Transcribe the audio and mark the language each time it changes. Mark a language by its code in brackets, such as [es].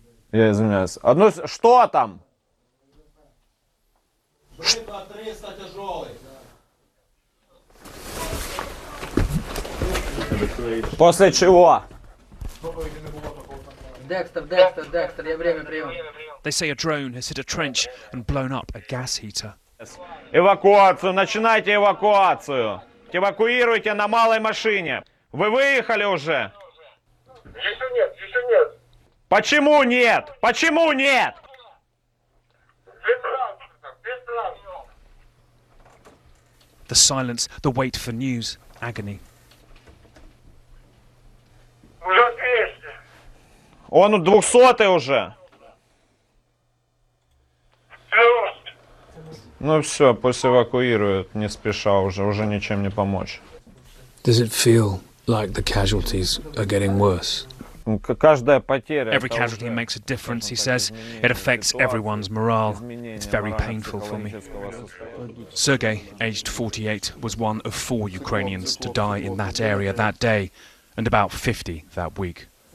[en] They say a drone has hit a trench and blown up a gas heater. [ru] Эвакуацию, начинайте эвакуацию. Эвакуируйте на малой машине. Вы выехали уже? Еще нет, еще нет. Почему нет? Почему нет? [en] The silence, the wait for news, agony. [ru] Уже 200. Он 200 уже. Ну все, пусть эвакуируют, не спеша уже, уже ничем не помочь. [en] Does it feel like the casualties are getting worse? [ru] Каждая потеря. [en] Every casualty makes a difference, he says. It affects everyone's morale. It's very painful for me. Sergei, aged 48, was one of four Ukrainians to die in that area that day, and about 50 that week.